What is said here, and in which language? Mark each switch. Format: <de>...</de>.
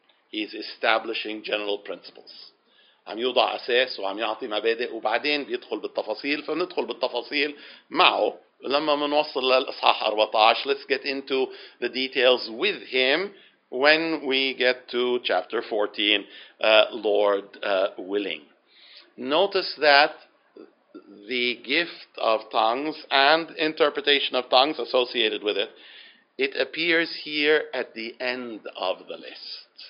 <en>He's establishing general principles.</en> <ar>عم يوضع أساس وعم يعطي مبادئ وبعدين بيدخل بالتفاصيل فندخل بالتفاصيل معه لما منوصل للإصحاح 14.</ar> <en>Let's get into the details with him when we get to chapter 14, Lord willing. Notice that the gift of tongues and interpretation of tongues associated with it, it appears here at the end of the list.</en>